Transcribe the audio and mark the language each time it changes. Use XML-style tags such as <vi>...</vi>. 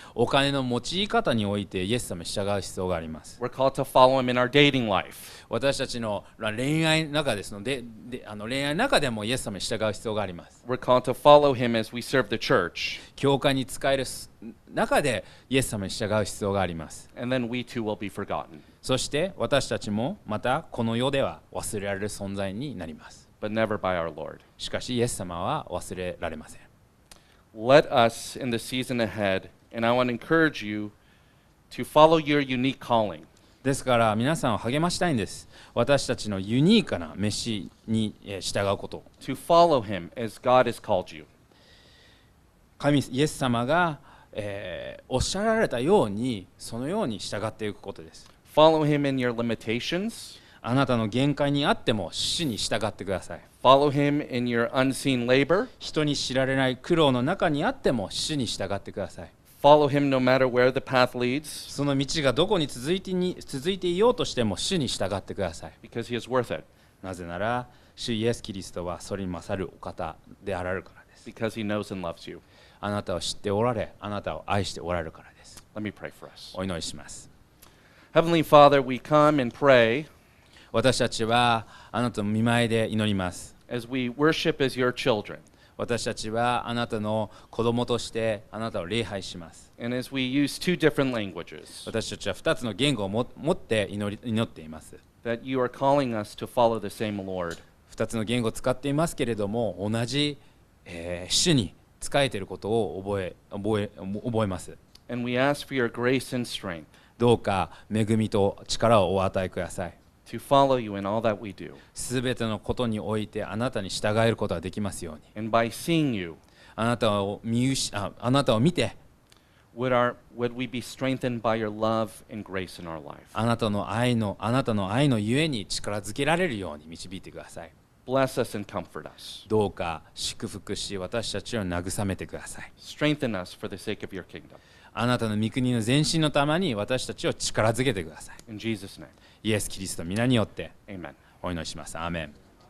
<ja>お金の用い方においてイエス様に従う必要があります。</ja> <en>We're called to follow him in our dating life.</en> <ja>私たちの恋愛の中ですので、恋愛の中でもイエス様に従う必要があります。</ja> <en>We're called to follow him as we serve the church.</en> <ja>教会に仕える中でイエス様に従う必要があります。</ja> <en>And then we too will be forgotten.</en> <ja>そして私たちもまたこの世では忘れられる存在になります。</ja> <en>But never by our Lord.</en> <ja>しかしイエス様は忘れられません。</ja> <en>Let us in the season ahead, and I want to encourage you to follow your unique calling.</en> <ja>ですから皆さんを励ましたいんです。私たちのユニークな召しに従うこと。</ja> <en>To follow him as God has called you.</en> <ja>イエス様が、おっしゃられたようにそのように従っていくことです。</ja> <en>Follow him in your limitations.</en> <ja>あなたの限界にあっても主に従ってください。</ja> <en>Follow him in your unseen labor.</en> <ja>人に知られない苦労の中にあっても主に従ってください。</ja> <en>Follow him no matter where the path leads.</en> <ja>その道がどこに続いていようとしても主に従ってください。</ja> <en>Because he is worth it.</en> <ja>なぜなら主イエスキリストはそれに勝るお方であられるからです。</ja> <en>Because he knows and loves you.</en> <ja>あなたを知っておられ、あなたを愛しておられるからです。</ja> <en>Let me pray for us.</en> <ja>お祈りします。</ja> <en>Heavenly Father, we come and pray.</en> <ja>私たちはあなたの御前で祈ります。</ja> <en>As we worship as your children.</en> <ja>私たちはあなたの子供としてあなたを礼拝します。</ja> <en>And as we use two different languages.</en> <ja>私たちは二つの言語を持って祈っています。</ja> <en>That you are calling us to follow the same Lord.</en> <ja>二つの言語を使っていますけれども、同じ、主に仕えていることを覚えます。</ja> <en>And we ask for your grace and strength.</en> <ja>どうか恵みと力をお与えください。</ja> <en>To follow you in all that we do.</en> <ja>すべてのことにおいてあなたに従えることができますように。</ja> <en>And by seeing you,</en> <ja>あなたを見て、</ja> <en>would we be strengthened by your love and grace in our life?</en> <ja>あなたの愛のゆえに力づけられるように導いてください。</ja> <en>Bless us and comfort us.</en> <ja>どうか祝福し私たちを慰めてください。</ja> <en>Strengthen us for the sake of your kingdom.</en> <ja>あなたの御国の前進のために私たちを力づけてください。</ja> <en>In Jesus' name.</en> <ja>イエス・キリスト皆によって、</ja> <en>Amen.</en> <ja>お祈りします。アーメン。</ja>